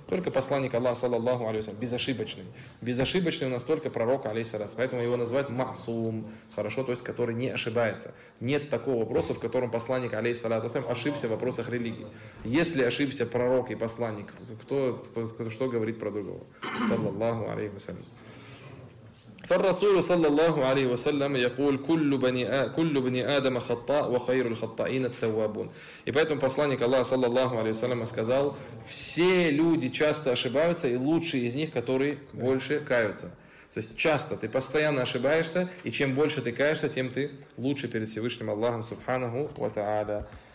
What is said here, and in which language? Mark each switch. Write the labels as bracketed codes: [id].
[ru] Только посланник Аллаха, саллаллаху алейхи ва саллям, безошибочный. Безошибочный у нас только пророк, алейхи ва саллям. Поэтому его называют масум, хорошо, то есть, который не ошибается. Нет такого вопроса, в котором посланник, алейхи ва саллям, ошибся в вопросах религии. Если ошибся пророк и посланник, кто что говорит про другого? Саллаллаху алейхи ва саллям. [ar] فالرسول صلى الله عليه وسلم يقول كل بني آدم خطاء وخير الخطائين التوابون. [ru] И поэтому посланник Аллаха [ar] صلى الله عليه وسلم [ru] сказал, все люди часто ошибаются, и лучшие из них, которые больше каются. То есть часто ты постоянно ошибаешься, и чем больше ты каешься, тем ты лучше перед Всевышним Аллахом Субханаху ва Тааля.